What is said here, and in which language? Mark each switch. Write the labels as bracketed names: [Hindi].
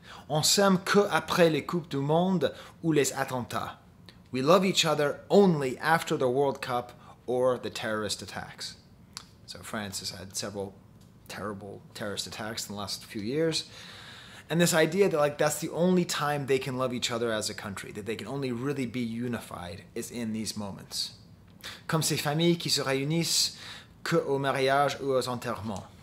[French] On s'aime que après les Coupes du Monde ou les attentats. [English] We love each other only after the World Cup or the terrorist attacks. So France has had several terrible terrorist attacks in the last few years. And this idea that like that's the only time they can love each other as a country, that they can only really be unified, is in these moments. [French] Comme ces familles qui se réunissent que au mariage ou aux enterrements.